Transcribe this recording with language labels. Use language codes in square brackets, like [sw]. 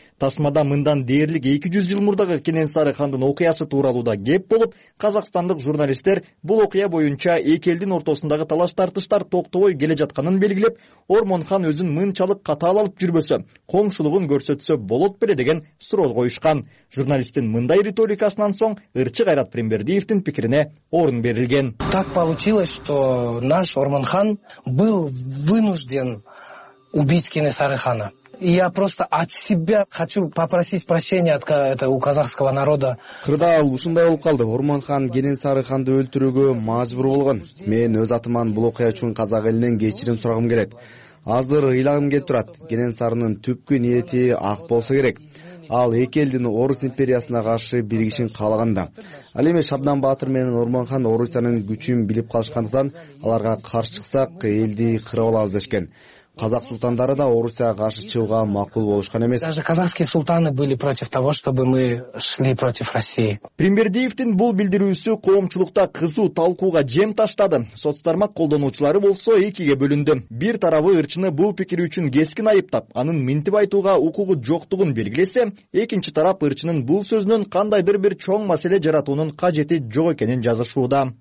[ky] Тасмада мындан дээрлик 200 жыл мурда Кенен Сарыхандын окуясы тууралуу да кеп болуп, казакстандык журналисттер бул окуя боюнча эки элдин ортосундагы талаш тартыштар токтобой келе жатканын белгилеп, Ормонхан өзүн мынчалык катаал алып жүрбөсө, коңшулугун көрсөтсө болот беле деген суроо коюшкан. Журналисттин мындай риторикасынан соң ырчы Кайрат Примбердиевдин пикирине орун берилген. [ru] Так получилось, что наш Ормонхан был вынужден убить Кенен Сарыхана. И я просто от себя хочу попросить прощения у казахского народа. [ky] Кырдаал ушундай болуп калды. Орманхан Кенен Сарыханды өлтүрүүгө мажбур болгон. Мен өз атыман бул окуя үчүн казак элинен кечирим сурагым келет. Азыр ыйлагым келип турат. Кенен Сарынын түпкү ниети ак болсо керек. Ал эки элдин Орус империясына каршы биригишин каалаганда. Ал эми Шабдан Баатыр менен Орманхан Орусиянын күчүн билип калышкандыктан аларга каршы чыксак элди кырып алабыз дешкен. Казак султандары да Орусияга каршы чыгууга макул болушкан эмес. [ru] Даже казахские султаны были против того, чтобы мы шли против России. [ky] Примбердиевдин бул билдирүүсү коомчулукта кызуу талкууга жем таштады. Соцтармак колдонуучулары болсо экиге бөлүндү. Бир тарабы ырчыны бул пикири үчүн кескин айыптап, анын минтип айтууга укугу жоктугун белгилесе, экинчи тарап ырчынын бул сөзүнөн кандайдыр бир чоң маселе жаратуунун кажети жок экенин жазышууда.